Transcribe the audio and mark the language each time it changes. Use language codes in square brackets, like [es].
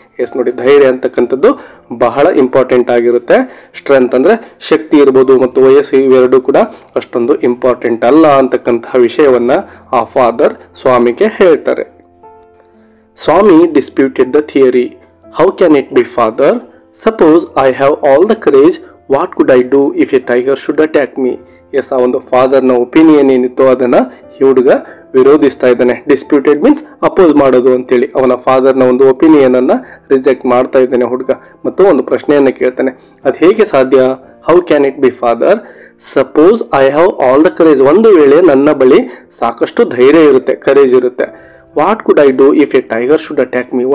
[kn] S ನೋಡಿ, ಧೈರ್ಯ ಅಂತಕ್ಕಂಥದ್ದು ಬಹಳ ಇಂಪಾರ್ಟೆಂಟ್ ಆಗಿರುತ್ತೆ. ಸ್ಟ್ರೆಂತ್ ಅಂದರೆ ಶಕ್ತಿ ಇರ್ಬೋದು ಮತ್ತು ವಯಸ್ಸು, ಇವೆರಡೂ ಕೂಡ ಅಷ್ಟೊಂದು ಇಂಪಾರ್ಟೆಂಟ್ ಅಲ್ಲ ಅಂತಕ್ಕಂತಹ ವಿಷಯವನ್ನು ಆ ಫಾದರ್ ಸ್ವಾಮಿಗೆ ಹೇಳ್ತಾರೆ. ಸ್ವಾಮಿ [en] Disputed the theory. How can it be, father? Suppose I have all the courage, what could I do if a tiger should attack me? [kn] S, ಆ ಒಂದು ಫಾದರ್ನ ಒಪಿನಿಯನ್ ಏನಿತ್ತು ಅದನ್ನು ಈ ಹುಡುಗ ವಿರೋಧಿಸ್ತಾ ಇದ್ದಾನೆ. ಡಿಸ್ಪ್ಯೂಟೆಡ್ ಮೀನ್ಸ್ ಅಪೋಸ್ ಮಾಡೋದು ಅಂತೇಳಿ, ಅವನ ಫಾದರ್ನ ಒಂದು ಒಪಿನಿಯನನ್ನು ರಿಜೆಕ್ಟ್ ಮಾಡ್ತಾ ಇದ್ದಾನೆ ಹುಡುಗ. ಮತ್ತು ಒಂದು ಪ್ರಶ್ನೆಯನ್ನು ಕೇಳ್ತಾನೆ, ಅದು ಹೇಗೆ ಸಾಧ್ಯ? [en] How can it be father? Suppose I have all the courage, [kn] ಒಂದು ವೇಳೆ ನನ್ನ ಬಳಿ ಸಾಕಷ್ಟು ಧೈರ್ಯ ಇರುತ್ತೆ, ಕರೇಜ್ ಇರುತ್ತೆ, [en] What could I do if a tiger should attack me?